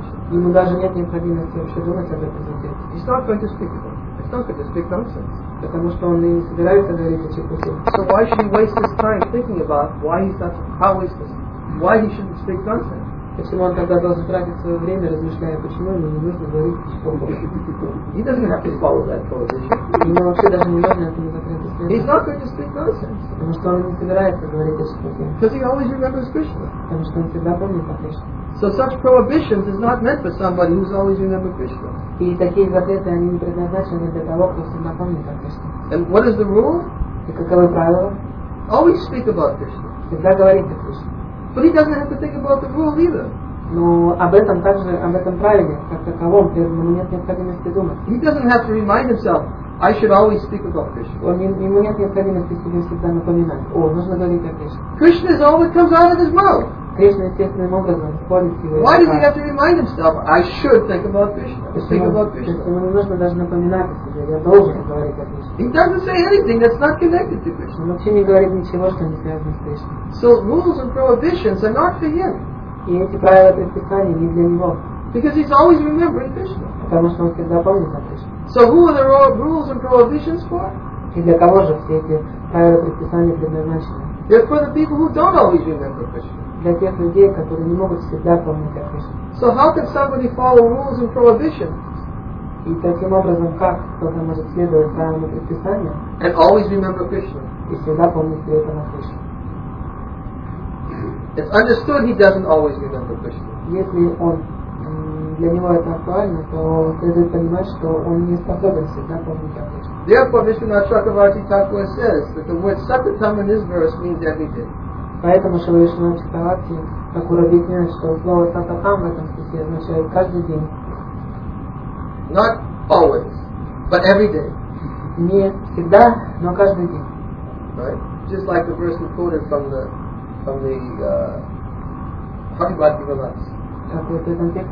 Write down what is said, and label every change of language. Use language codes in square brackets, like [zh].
[ru] Ему даже нет необходимости вообще думать об этом запрете. [en] He's not going to speak about it. He's not going to speak nonsense. [ru] Потому что он и не собирается говорить о чепухе. [en] So why should he waste his time thinking about why he's not, how is this, why he shouldn't speak nonsense? [ru] Почему он тогда должен тратить свое время, размышляя, почему ему не нужно говорить о чепухе? [en] He doesn't have to follow that prohibition. [ru] Ему вообще даже не нужно этому запрету следовать. [en] He's not going to speak nonsense. [ru] Потому что он не собирается говорить о чепухе. [en] Because he always remembers Krishna. [ru] Потому что он всегда помнит о Кришне. [en] So such prohibitions is not meant for somebody who's always remember Krishna. [ru] И такие запреты они не предназначены для того, кто всегда помнит о Кришне. [en] And what is the rule? [ru] И каковы правила? [en] Always speak about Krishna. [ru] Всегда говорить о Кришне. [en] But he doesn't have to think about the rule either. [ru] Но об этом также, об этом правиле, как таковом, ему нет необходимости думать. [en] He doesn't have to remind himself, I should always speak about Krishna. [ru] Ему нет необходимости себе всегда напоминать. О, нужно говорить о Кришне. [en] Krishna is all that comes out of his mouth. [ru] Кришна естественным образом спорит его. [en] Why does he have to remind himself, I should think about Krishna? Think about Krishna. [ru] Ему не нужно даже напоминать о себе, я должен говорить о Кришне. [en] He doesn't say anything that's not connected to Krishna. [ru] Он вообще не говорит ничего, что не связано с Кришной. [en] So rules and prohibitions are not for him. [ru] И эти правила предписания не для него. [en] Because he's always remembering Krishna. [ru] Потому что он всегда помнит о Кришне. [en] So who are the rules and prohibitions for? [ru] И для кого же все эти правила предписания предназначены? [en] They're for the people who don't always remember Krishna. [ru] Для тех людей, которые не могут всегда помнить о Кришне. [en] So how can somebody follow rules and prohibitions? [ru] И таким образом, как кто-то может следовать правилам и предписаниям? [en] And always remember Krishna. [ru] И всегда помнить при этом о Кришне. [en] It's understood he doesn't always remember Krishna. [ru] Если он для него это актуально, то следует понимать, что он не способен всегда помнить о Кришне. [en] Therefore, Vishwanatha Chakravarti Thakur says that the word Satatam in this verse means everything. [ru] Поэтому Шри Вишнуа Чакраварти Такур объясняет, что слово Сататам в этом стихе означает каждый день. [en] Not always, but every day. [ru] Не всегда, но каждый день. [en] Right? Just like the verse we quoted from the Bhagavad Gita verse.